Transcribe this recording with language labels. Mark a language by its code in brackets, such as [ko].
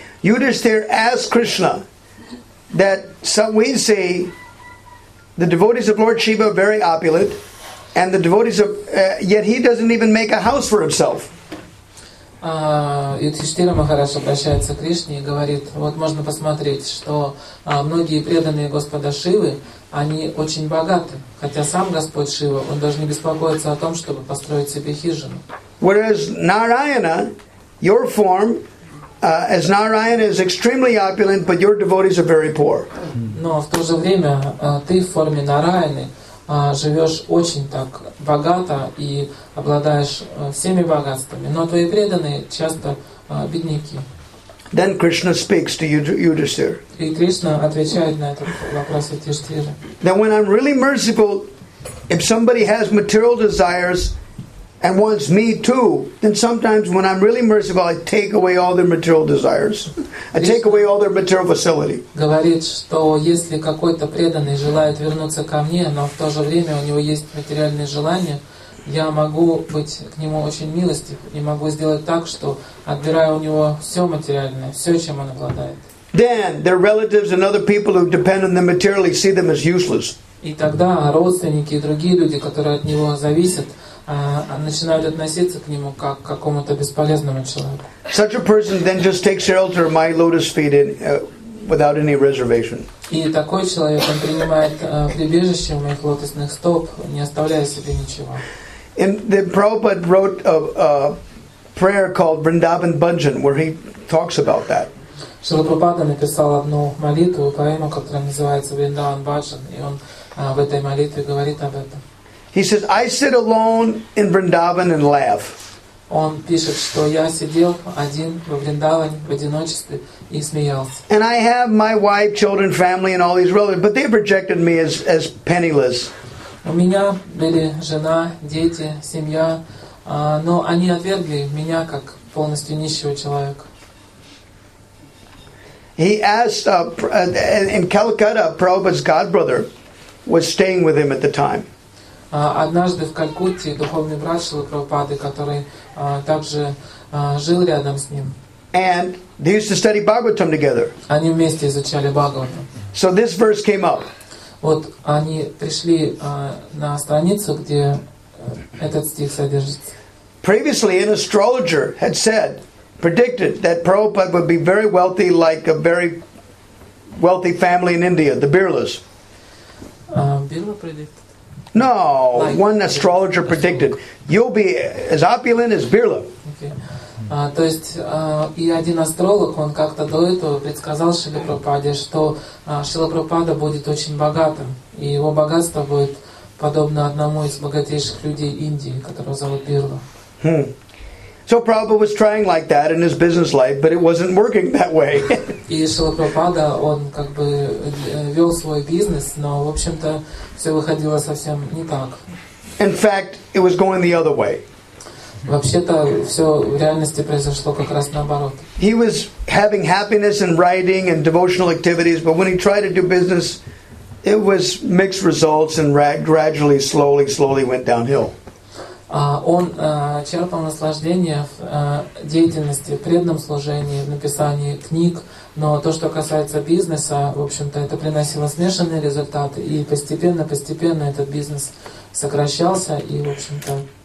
[en] Yudhishthir asked Krishna that some we say the devotees of Lord Shiva are very opulent, and the devotees of yet he doesn't even make a house for himself. [ru] Юдхиштхира Махарадж обращается к Кришне и говорит: вот можно посмотреть, что многие преданные Господа Шивы, они очень богаты, хотя сам Господь Шива, он даже не беспокоится о том, чтобы построить себе хижину. [en] Whereas Narayana, your form, as Narayana is extremely opulent, but your devotees are very poor. [ru] Но в то же время ты в форме Нараяны живешь очень так богато и обладаешь всеми богатствами, но твои преданные часто бедняки. [en] Then Krishna speaks to Yudhishthira. [ru] И Кришна отвечает на этот вопрос Юдхиштхира. [en] Then when I'm really merciful, if somebody has material desires and wants me too, then sometimes when I'm really merciful, I take away all their material desires. I take away all their material facility. [ru] Говорит, что если какой-то преданный желает вернуться ко мне, но в то же время у него есть материальные желания, я могу быть к нему очень милостив и могу сделать так, что отбираю у него все материальное, все, чем он обладает. [en] Then their relatives and other people who depend on them materially see them as useless. [ru] И тогда родственники и другие люди, которые от него зависят, начинают относиться к нему как к какому-то бесполезному человеку. [en] Such a person then just takes shelter my lotus feet in, without any reservation. [ru] И такой человек он принимает прибежище у моих лотосных стоп, не оставляя себе ничего. [en] And the Prabhupada wrote a prayer called Vrindavan Bhajan, where he talks about that. [ru] Шрила Прабхупада написал одну молитву, поэму, которая называется Vrindavan Bhajan, и он в этой молитве говорит об этом. [en] He says, "I sit alone in Vrindavan and laugh." [ru] Он пишет, что я сидел один во Вриндаване в одиночестве и смеялся. [en] And I have my wife, children, family, and all these relatives, but they've rejected me as penniless. [ru] У меня были жена, дети, семья, но они отвергли меня как полностью нищего человека. [en] He asked in Calcutta, Prabhupada's godbrother was staying with him at the time. [ru] Однажды в Калькутте духовный брат Шрилы Прабхупады, который также жил рядом с ним. [en] And they used to study Bhagavatam together. [ru] Они вместе изучали Бхагаватам. [en] So this verse came up. [ru] Вот они пришли на страницу, где этот стих содержится. [en] Previously, an astrologer had said, predicted that Prabhupada would be very wealthy, like a very wealthy family in India, the Birlas. No, one astrologer predicted you'll be as opulent as Birla. [ru] То есть и один астролог, он как-то до этого предсказал Шриле Прабхупаде, что Шрила Прабхупада будет очень богатым, и его богатство будет подобно одному из богатейших людей Индии, которого зовут Бирла. [en] So Prabhupada was trying like that in his business life, but it wasn't working that way. [ru] И Шрила Прабхупада, он как бы вел свой бизнес, но в общем-то все выходило совсем не так. [en] In fact, it was going the other way. [ru] Вообще-то все в реальности произошло как раз наоборот. [en] He was having happiness in writing and devotional activities, but when he tried to do business, it was mixed results and gradually, slowly, slowly went downhill. [ru] Он черпал наслаждение в деятельности, в преданном служении, в написании книг, но то, что касается бизнеса, в общем-то, это приносило смешанные результаты, и постепенно этот бизнес сокращался, и, в общем-то,